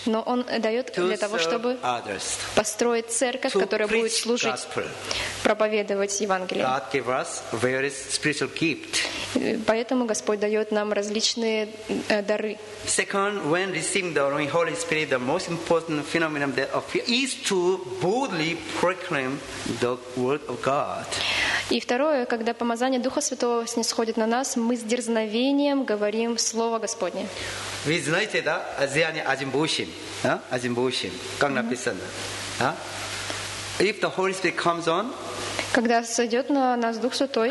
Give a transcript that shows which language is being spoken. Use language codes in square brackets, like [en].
[ru] Но он дает для того, чтобы [en] others. [ru] Построить церковь, [en] to [ru] которая будет служить, [en] gospel. [ru] Проповедовать Евангелие. [en] God gave us various spiritual gifts. [ru] Поэтому Господь дает нам различные дары. [en] Second, when receiving the Holy Spirit, the most important phenomenon that appears is to boldly proclaim the word of God. [ru] И второе, когда помазание Духа Святого снисходит на нас, мы с дерзновением говорим Слово Господне. Вы знаете, да, Азиане Азимбушим, да, Азимбушим, как написано, да? [en] If the Holy Spirit comes on, [ru] когда сойдет на нас Дух Святой,